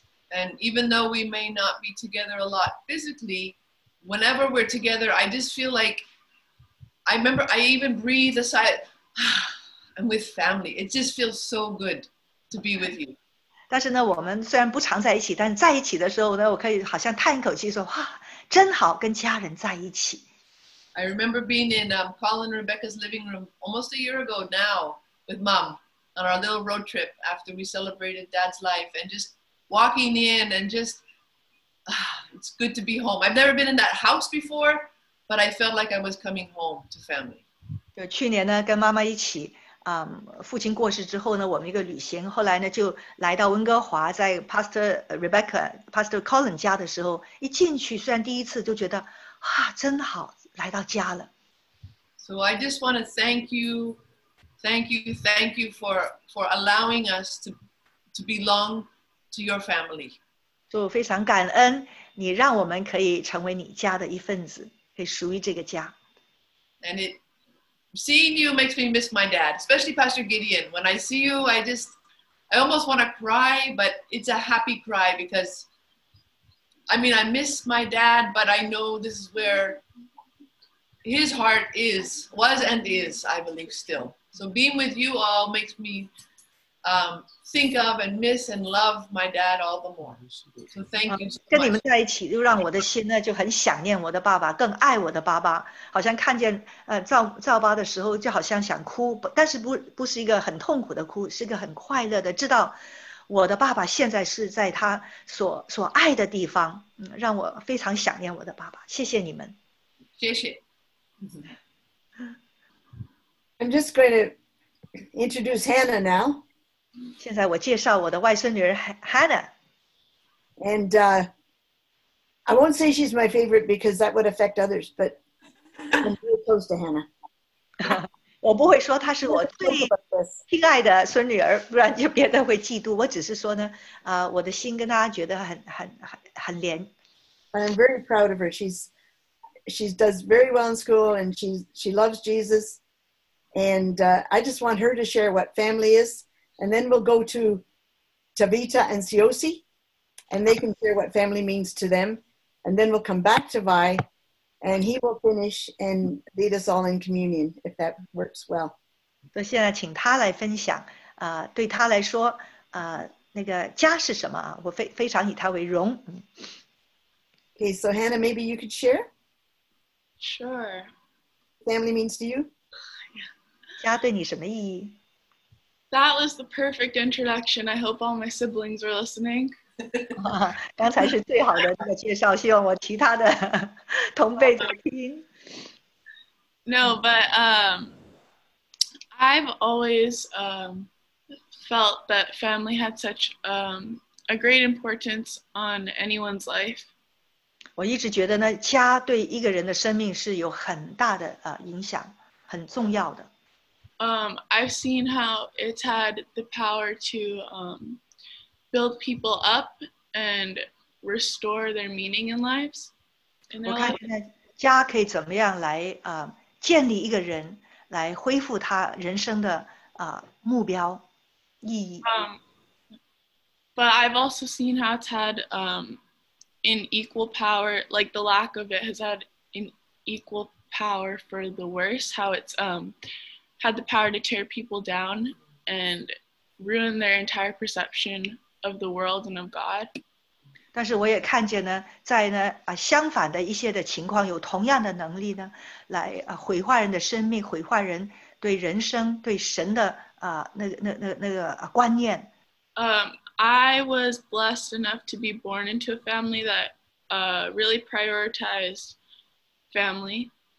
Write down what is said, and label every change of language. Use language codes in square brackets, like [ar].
[en] And even though we may not be together a lot physically, whenever we're together, I just feel like I remember I even breathe a sigh, I'm with family. It just feels so good to be with you. [zh] 但是呢，我们虽然不常在一起，但在一起的时候呢，我可以好像叹一口气说，哇，真好，跟家人在一起。 [en] I remember being in Colin and Rebecca's living room almost a year ago now with Mom on our little road trip after we celebrated Dad's life, and just walking in and just, it's good to be home. I've never been in that house before, but I felt like I was coming home to family. [zh] 就去年呢，跟妈妈一起。父亲过世之后呢，我们一个旅行，后来呢就来到温哥华，在 Pastor Rebecca、Pastor Colin 家的时候，一进去，虽然第一次就觉得啊，真好，来到家了。 [en] So I just want to thank you for allowing us to belong to your family. [zh] 就非常感恩，你让我们可以成为你家的一份子，可以属于这个家。 [en] And it. Seeing you makes me miss my dad, especially Pastor Gideon. When I see you, I almost want to cry, but it's a happy cry because, I mean, I miss my dad, but I know this is where his heart is, was and is, I believe, still. So being with you all makes me think of and miss and love my dad all the more. So thank you so much. [zh] 跟你们在一起就让我的心呢就很想念我的爸爸，更爱我的爸爸。好像看见赵爸的时候就好像想哭，但是不是一个很痛苦的哭，是一个很快乐的，知道我的爸爸现在是在他所爱的地方，让我非常想念我的爸爸。谢谢你们。谢谢。 [en] I'm just going to introduce Hannah now. [zh] 现在我介绍我的外孙女儿 Hannah. [en] And I won't say she's my favorite because that would affect others, but I'm really close to Hannah. [zh] 我不会说她是我最亲爱的孙女儿，不然就别人会嫉妒。我只是说呢，我的心跟她觉得很连。 [en] But I'm very proud of her. She does very well in school and she loves Jesus. And I just want her to share what family is. And then we'll go to Tabita and Siosi, and they can share what family means to them. And then we'll come back to Vi, and he will finish and lead us all in communion, if that works well. [zh] 所以现在请他来分享，对他来说，那个家是什么？我非常以他为荣。 [en] Okay, so Hannah, maybe you could share? Sure. Family means to you? Yeah. [zh] 家对你什么意义？ [en] That was the perfect introduction. I hope all my siblings were listening. [zh] 刚才是最好的那个介绍，希望我其他的同辈在听。 [en] No, but I've always felt that family had such a great importance on anyone's life. [zh] 我一直觉得呢，家对一个人的生命是有很大的影响，很重要的。 [en] I've seen how it's had the power to build people up and restore their meaning in lives. [zh] 我看现在家可以怎么样来建立一个人，来恢复他人生的目标。 [en] But I've also seen how it's had an equal power, like the lack of it has had an equal power for the worse, how it's had the power to tear people down and ruin their entire perception of the world and of God. [zh] 但是我也看见呢，在呢相反的一些的情况，有同样的能力呢，来毁坏人的生命，毁坏人对人生对神的那个观念。 [en] I was blessed enough to be born into a family that really prioritized family.